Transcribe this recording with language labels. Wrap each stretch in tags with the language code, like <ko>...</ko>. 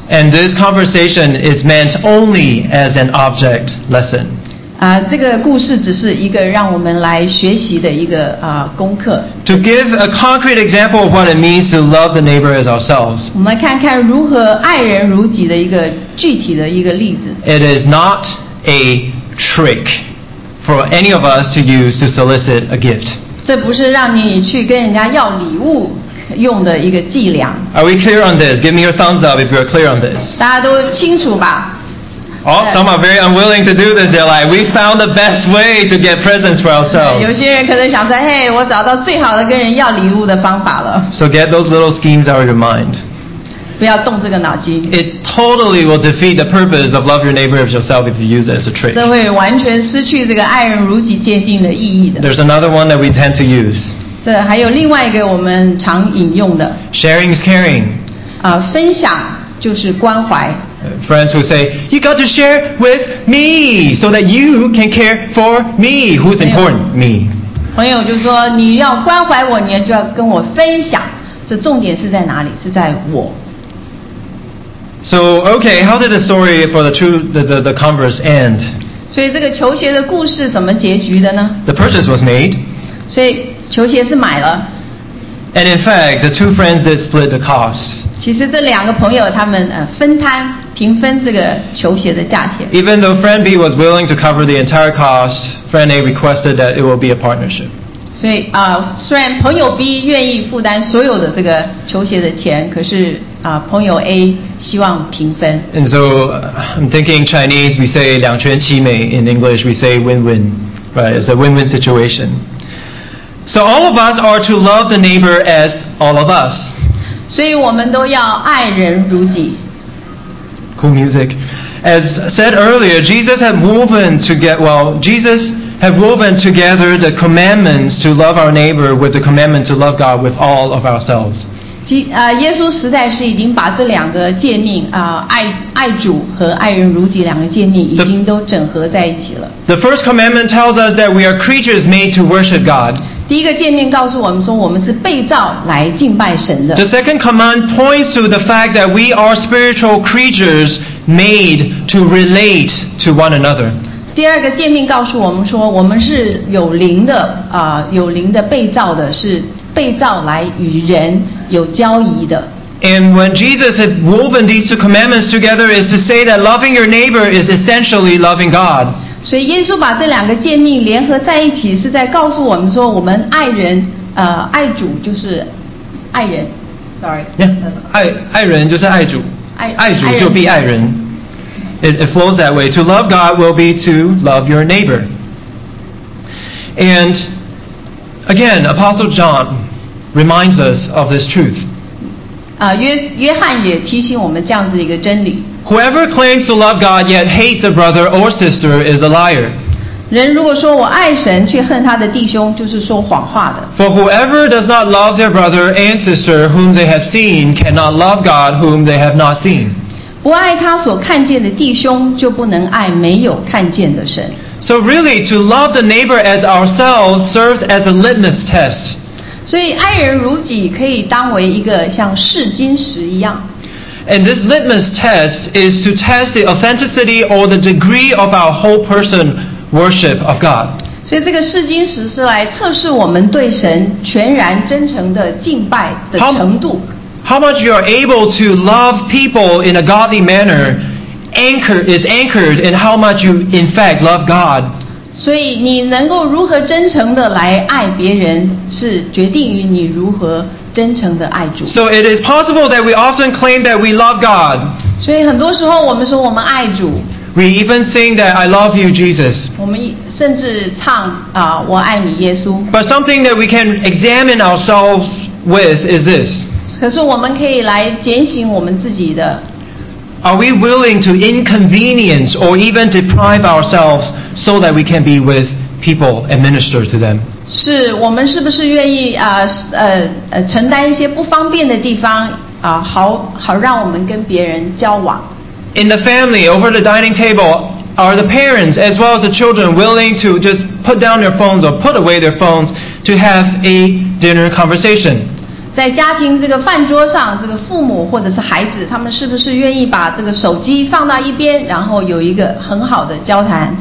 <en>And this conversation is meant only as an object lesson.</en> <zh>这个故事只是一个让我们来学习的一个功课。</zh> <en>To give a concrete example of what it means to love the neighbor as ourselves.</en> <zh>我们来看看如何爱人如己的一个。具体的一个例子。</zh> <en>It is not a trick for any of us to use to solicit a gift.</en> <zh>这不是让你去跟人家要礼物用的一个伎俩。</zh> <en>Are we clear on this? Give me your thumbs up if you are clear on this.</en> <zh>大家都清楚吧？</zh> <en>Oh, some are very unwilling to do this. They're like, we found the best way to get presents for ourselves.</en> <zh>有些人可能想说，嘿，我找到最好的跟人要礼物的方法了。</zh> <en>So get those little schemes out of your mind.</en> <zh>不要动这个脑筋。</zh> <en>It totally will defeat the purpose of love your neighbor as yourself if you use it as a trick.</en> <zh>这会完全失去这个爱人如己界定的意义的。</zh> <en>There's another one that we tend to use.</en> <zh>这还有另外一个我们常引用的。</zh> <en>Sharing is caring.</en> <zh>分享就是关怀。</zh> <en>Friends who say, "You got to share with me so that you can care for me." Who's important? Me.</en> <zh>朋友就说你要关怀我，你就要跟我分享。这重点是在哪里？是在我。</zh> <en>So okay, how did the story for the Converse end?</en> <zh>所以这个球鞋的故事怎么结局的呢？</zh> <en>The purchase was made.</en> <zh>所以球鞋是买了。</zh> <en>And in fact, the two friends did split the cost.</en> <zh>其实这两个朋友他们分摊平分这个球鞋的价钱。</zh> <en>Even though friend B was willing to cover the entire cost, friend A requested that it will be a partnership.</en> <zh>所以虽然朋友 B 愿意负担所有的这个球鞋的钱，可是朋友 A 希望平分。</zh> <en>And so I'm thinking Chinese, we say</en> <zh>两全其美</zh> <en>in English we say win-win, right? It's a win-win situation. So all of us are to love the neighbor as all of us.</en> <zh>所以我们都要爱人如己。</zh> <en>Cool music. As said earlier, Jesus had woven to get, well, Jesus have woven together the commandments to love our neighbor with the commandment to love God with all of ourselves.</en> <zh>耶稣实在是已经把这两个诫命、爱主和爱人如己两个诫命已经都整合在一起了。</zh> <en>The first commandment tells us that we are creatures made to worship God.</en> <zh>第一个诫命告诉我们说我们是被造来敬拜神的。</zh> <en>The second command points to the fact that we are spiritual creatures made to relate to one another.</en> <zh>第二个诫命告诉我们说我们是有灵的、有灵的被造的是被造来与人有交易的。</zh> <en>And when Jesus had woven these two commandments together, is to say that loving your neighbor is essentially loving God.</en> <zh>所以耶稣把这两个诫命联合在一起，是在告诉我们说，我们爱人，爱主就是爱人。</zh> <en>Sorry.</en> <zh>Yeah. 爱人就是爱主。爱主就必爱人。</zh> <en>It flows that way. To love God will be to love your neighbor. And again, Apostle John reminds us of this truth.</en> <zh>约翰也提醒我们这样子一个真理。</zh> <en>Whoever claims to love God yet hates a brother or sister is a liar.</en> <zh>人如果说我爱神却恨他的弟兄，就是说谎话的。</zh> <en>For whoever does not love their brother and sister whom they have seen cannot love God whom they have not seen.</en> <zh>不爱他所看见的弟兄，就不能爱没有看见的神。</zh> <en>So really, to love the neighbor as ourselves serves as a litmus test.</en> <zh>所以爱人如己可以当为一个像试金石一样。</zh> <en>And this litmus test is to test the authenticity or the degree of our whole person worship of God.</en> <zh>所以这个试金石是来测试我们对神全然真诚的敬拜的程度。</zh> <en>How much you are able to love people in a godly manner is anchored in how much you in fact love God.</en> <zh>所以你能够如何真诚的来爱别人，是决定于你如何真诚的爱主。</zh> <en>So it is possible that we often claim that we love God.</en> <zh>所以很多时候我们说我们爱主。</zh> <en>We even sing that I love you, Jesus.</en> <zh>我们甚至唱我爱你耶稣。</zh> <en>But something that we can examine ourselves with is this.</en> <zh>可是我们可以来检醒我们自己的。</zh> <en>Are we willing to inconvenience or even deprive ourselves so that we can be with people and minister to them?</en> <zh>是我们是不是愿意承担一些不方便的地方好让我们跟别人交往。</zh> <en>In the family, over the dining table, are the parents as well as the children willing to just put down their phones or put away their phones to have a dinner conversation?</en> <zh>在家庭这个饭桌上，这个父母或者是孩子，他们是不是愿意把这个手机放到一边，然后有一个很好的交谈？</zh>